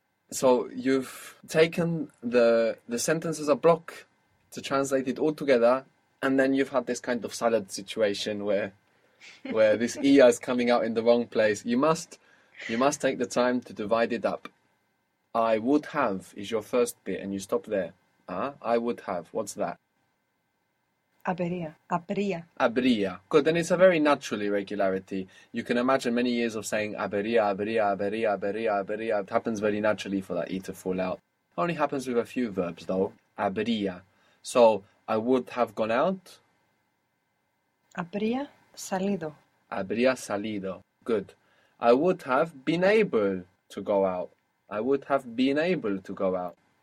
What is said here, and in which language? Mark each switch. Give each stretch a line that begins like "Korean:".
English: So you've taken the sentence as a block to translate it all together, and then you've had this kind of salad situation where this ia is coming out in the wrong place. You must take the time to divide it up. I would have is your first bit and you stop there. I would have. What's that?
Spanish: Habería, habría. Habría. Good.
English: Then it's a very natural irregularity. You can imagine many years of saying habería, habería, habería, habería, habería. It happens very naturally for that E to fall out. It only happens with a few verbs though. Habería. So I would have gone out.
Spanish: Habría salido. Habría salido. Good.
English: I would have been able to go out. I would have been able to go out.